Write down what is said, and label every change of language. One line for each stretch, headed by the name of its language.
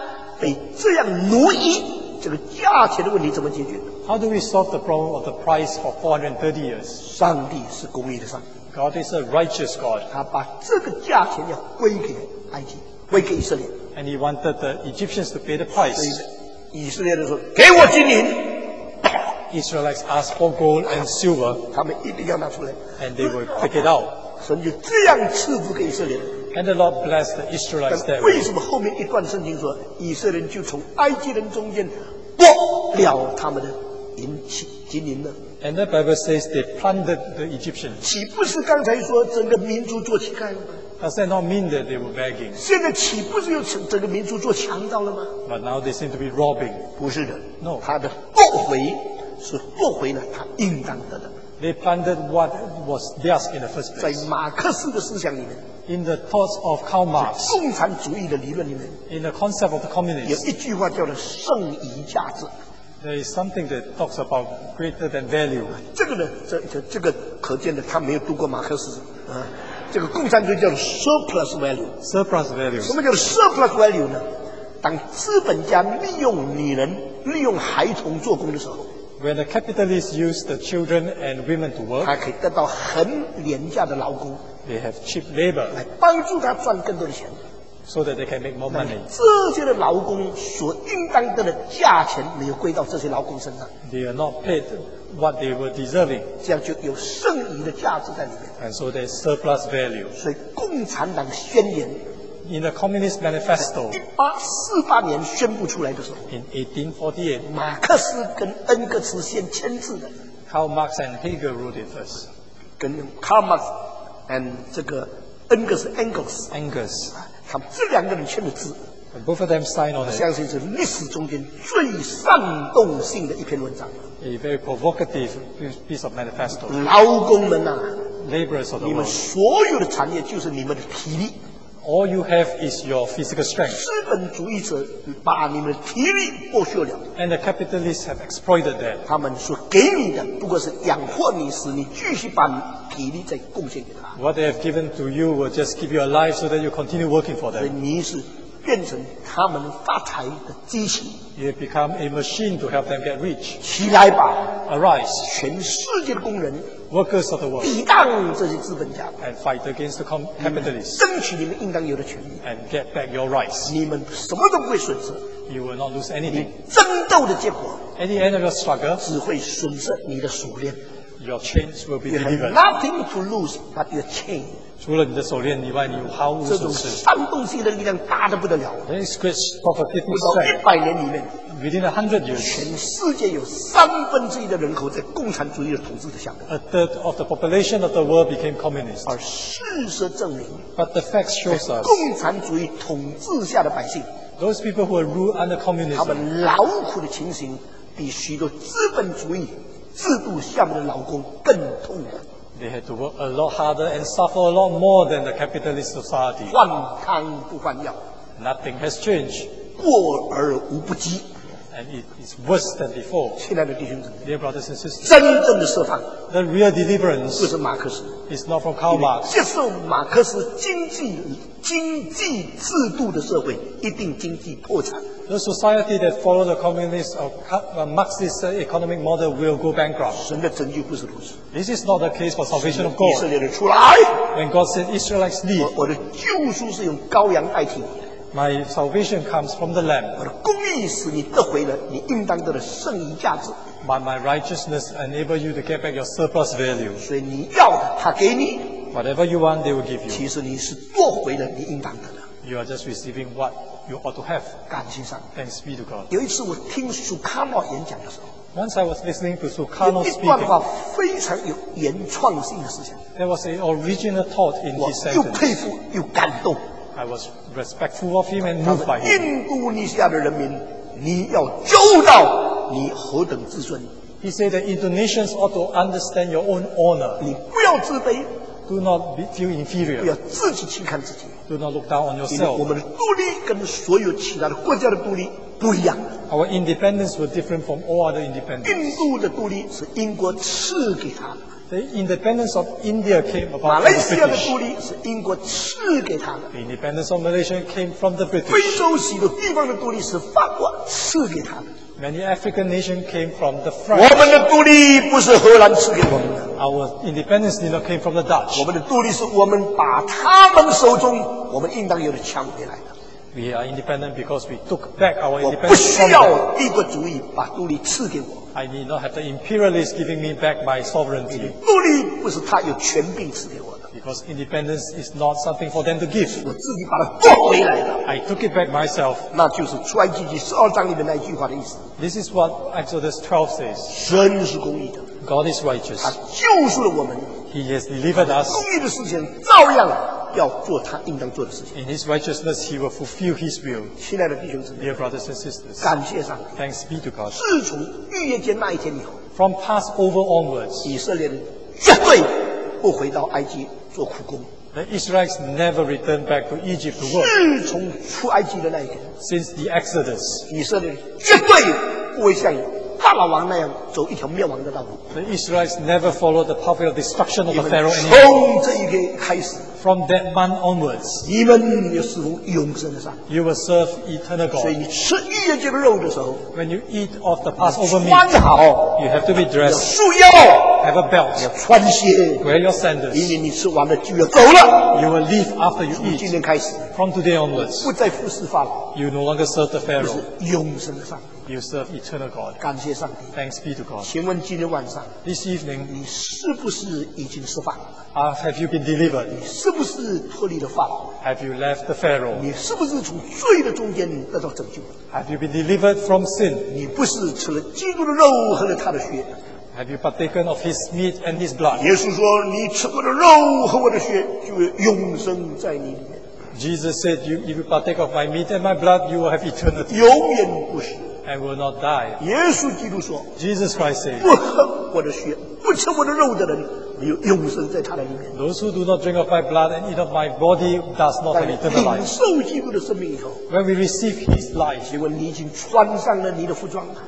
Chinese: 430人被这样欺压,被这样奴役, 这个价钱的问题怎么解决?
English: How do we solve the problem of the price for 430 years?
Chinese: 上帝是公义的上,
English: God is a righteous God.
Chinese: 他把这个价钱要归给埃及,归给以色列,
English: and he wanted the Egyptians to pay the price.
Chinese: 所以以色列人说, 给我金银,
English: Israelites asked for gold and silver,
Chinese: 他们一定要拿出来,
English: and they will pick it out.
Chinese: 神就这样赐福给以色列人,
English: and the Lord blessed the Israelites that way.
Chinese: 为什么后面一段圣经说, 以色列人就从埃及人中间剥了他们的银器金银呢?
English: And the Bible says they plundered the Egyptians.
Chinese: 岂不是刚才说整个民族做乞丐了吗?
English: Does that not mean that they were begging?
Chinese: 现在岂不是又整个民族做强盗了吗?
English: But now they seem to be robbing.
Chinese: 不是的,
English: no.
Chinese: 他的作为, 是落回了他应当得的,
English: they planted what was theirs in the first place.
Chinese: 在马克思的思想里面,
English: in the thoughts of Karl Marx,
Chinese: 共产主义的理论里面,
English: in the concept of the communists,
Chinese: 有一句话叫做剩余价值,
English: there is something that talks about greater than value.
Chinese: 这个可见的他没有读过马克思, 这个共产主义叫surplus value.
English: Surplus value.
Chinese: 什么叫surplus value呢?当资本家利用女人利用孩童做工的时候,
English: when the capitalists use the children and women to work,
Chinese: 他可以得到很廉价的劳工,
English: they have cheap labor,
Chinese: 来帮助他赚更多的钱,
English: so that they can make more money.
Chinese: 这些的劳工所应当得的价钱没有归到这些劳工身上。
English: They are not paid what they were deserving.
Chinese: 这样就有剩余的价值在里面。
English: And so there's surplus value.
Chinese: 所以共产党宣言。
English: In the Communist Manifesto,
Chinese: 1848年宣布出来的时候
English: ，In 1848,
Chinese: 马克思跟恩格斯先签字的。
English: Karl Marx and Hegel wrote it first.
Chinese: 跟 Karl Marx and 这个恩格斯 Engels 他们这两个人签的字。
English: And、both of them signed on it.
Chinese: 相信是历史中间最煽动性的一篇文章。
English: A very provocative piece of manifesto.
Chinese: 劳工们呐、啊、
English: ，Laborers of the world,
Chinese: 你们所有的产业就是你们的体力。
English: All you have is your physical strength.
Chinese: 资本主义者把你们的体力剥削了。
English: And the capitalists have exploited that.
Chinese: 他们所给你的不过是养活你，使你继续把体力再贡献给他。
English: What they have given to you will just keep you alive so that you continue working for them.
Chinese: 所以你是变成他们发财的机器。
English: You have become a machine to help them get rich.
Chinese: 起来吧
English: ，Arise!
Chinese: 全世界的工人。
English: Workers of the world,
Chinese: 抵挡这些资本家
English: and fight against the capitalists,
Chinese: 争取你们应当有的权利
English: and get back your rights.
Chinese: 你们什么都不会损失
English: you will not lose anything.
Chinese: 你争斗的结果
English: at the end of your struggle,
Chinese: 只会损失你的锁链
English: your chains will be delivered. You have nothing to lose but your chain.
Chinese: 除了你的锁链以外，你毫无损失。这种煽动性的力量大得不得了。
English: This great prophetic strength.
Chinese: 不到100年里面。
English: Within 100 years,
Chinese: 全世界有三分之一的人口在共产主义的统治下面。
English: A third of the population of the world became communist.
Chinese: 而事实证明
English: ，But the facts show us,
Chinese: 共产主义统治下的百姓
English: ，Those people who are ruled under communism,
Chinese: 他们劳苦的情形比许多资本主义制度下面的劳工更痛苦。
English: They had to work a lot harder and suffer a lot more than the capitalist society.
Chinese: 换汤不换药
English: ，Nothing has changed.
Chinese: 过而无不及。
English: And it is worse than before.
Chinese: 亲爱的弟兄姊妹
English: Dear brothers and sisters,
Chinese: 真正的释放
English: The real deliverance
Chinese: 不是马克思
English: It's not from Karl Marx.
Chinese: 接受马克思经济制度的社会一定经济破产
English: The society that follows the communist or Marxist economic model will go bankrupt.
Chinese: 神的拯救不是如此
English: This is not the case for salvation of God.
Chinese: 以色列人出来
English: When God said Israelites leave,
Chinese: 我的救赎是用羔羊代替的
English: My salvation comes from the Lamb.
Chinese: 我的公义使你得回了你应当得的剩余价值。
English: But my righteousness enable you to get back your surplus value.
Chinese: 所以你要的他给你。
English: Whatever you want, they will give you.
Chinese: 其实你是夺回了你应当得的。
English: You are just receiving what you ought to have.
Chinese: 感谢上。
English: Thanks be to God.
Chinese: 有一次我听苏卡诺演讲的时候。
English: Once I was listening to Sukarno speaking,
Chinese: 一段话非常有原创性的事情。
English: There was an original thought in his sentence.
Chinese: 我又佩服又感动。
English: I was respectful of him and moved by him.
Chinese: 印度尼西亚的人民，你要揪到你何等自尊。
English: He said that Indonesians ought to understand your own honor.
Chinese: 你不要自卑。
English: Do not feel inferior.
Chinese: 不要自己轻看自己。
English: Do not look down on yourself.
Chinese: 我们的独立跟所有其他的国家的独立不一样。
English: Our independence was different from all other independence.
Chinese: 印度的独立是英国赐给他的。
English: The independence of India came about from the British.
Chinese: 马来西亚的独立是英国赐给他的。
English: The independence of Malaysia came from the British.
Chinese: 非洲许多地方的独立是法国赐给他的。
English: Many African nations came from the French.
Chinese: 我们的独立不是荷兰赐给我们的。
English: Our independence did not came from the Dutch.
Chinese: 我们的独立是我们把他们手中我们应当有的抢回来的。
English: We are independent because we took back our independence.
Chinese: 我不需要帝国主义把独立赐给我。
English: I need not have the imperialist giving me back my sovereignty.
Chinese: 独立不是他有权柄赐给我的。
English: Because independence is not something for them to give.
Chinese: 我自己把它夺回来了。
English: I took it back myself.
Chinese: 那就是出埃及记十二章里面那句话的意思。
English: This is what Exodus 12 says.
Chinese: 神是公义的。
English: God is righteous.
Chinese: 他救赎了我们。
English: He has delivered us.
Chinese: 公义的事情照样要做他应当做的事情。
English: In his righteousness, he will fulfill his will.
Chinese: 亲爱的弟兄姊妹
English: ，Dear brothers and sisters,
Chinese: 感谢上帝。
English: Thanks be to God.
Chinese: 自从逾越节那一天以后
English: ，From Passover onwards,
Chinese: 以色列人绝对不回到埃及做苦工。
English: The Israelites never returned back to Egypt to work.
Chinese: 自从出埃及的那一天
English: ，Since the Exodus,
Chinese: 以色列人绝对不会像法老王那样走一条灭亡的道路。
English: The Israelites never followed the pathway of destruction of the Pharaoh anymore.
Chinese: 从这一天开始。
English: From that month onwards,
Chinese: 你们要侍奉永生的上帝。
English: You will serve eternal God.
Chinese: 所以你吃逾越节的肉的时候
English: ，When you eat of the Passover meat, you have to be dressed.
Chinese: 要束腰。
English: have a belt.
Chinese: 你要穿鞋
English: wear your sandals.
Chinese: 因为你吃完了就要走了
English: you will leave after you eat.
Chinese: 从今天开始
English: from today onwards.
Chinese: 不再服侍法老
English: you no longer serve the Pharaoh.
Chinese: 就是永生的上帝
English: you serve eternal God.
Chinese: 感谢上帝
English: thanks be to God.
Chinese: 请问今天晚上
English: this evening,
Chinese: 你是不是已经释放了
English: Have you been delivered?
Chinese: 你是不是脱离了法老？
English: Have you left the Pharaoh?
Chinese: 你是不是从罪的中间得到拯救？
English: Have you been delivered from sin?
Chinese: 你不是吃了基督的肉，喝了他的血？
English: Have you partaken of his meat and his blood?
Chinese: 耶稣说，你吃我的肉，喝我的血，就永生在你里面。
English: Jesus said, if you partake of my meat and my blood, you will have eternity.
Chinese: 永远不死。
English: And will not die.
Chinese: 耶稣基督说，
English: Jesus Christ said,
Chinese: 不喝我的血，不吃我的肉的人。永生在他的里面。
English: Those who do not drink of my blood and eat of my body does not have eternal life.
Chinese: 领受基督的生命以后
English: ，When we receive His life，
Chinese: 请问你已经穿上了你的服装吗